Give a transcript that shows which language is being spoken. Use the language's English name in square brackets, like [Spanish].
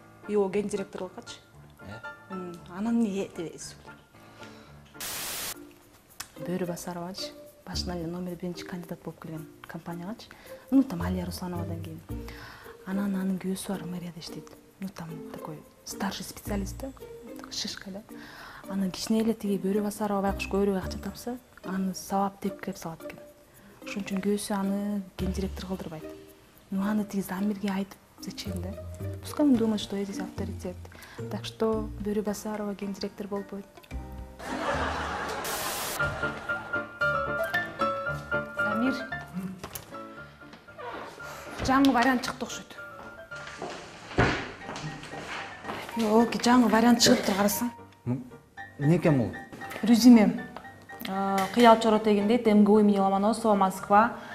[Kyrgyz] И о гендиректорлукачы. Анан эмне дебейсиз бул? Бөрүбасаровачы, башынан эле номер биринчи кандидат болуп келген компаниягачы. Ну там Алия Руслановадан кийин. Анын күйөөсү бар, мэрияда иштейт. [Russian] Ну там такой старший специалист да, шишка да. [Kyrgyz] Анын кичине эле тиги Бөрүбасарова байкуш көрүүгө акча тапса, аны сабап тепкилеп салат экен. Ошон үчүн күйөөсү аны гендиректор кылдырбайт. Ну аны тиги Замирге айтып [Russian] зачем [Kyrgyz] да? [Russian] Пускай он думает, что я здесь авторитет. Так что [Kyrgyz] Бөрүбасарова гендиректор болбойт. Замир. Жаңы вариант чыкты окшойт. Оке, жаңы вариант чыкты, карасаң. Эмне экен бул? Резюме. Кыял чоро тегиндейт, МГУ имени Ломоносова, Москва.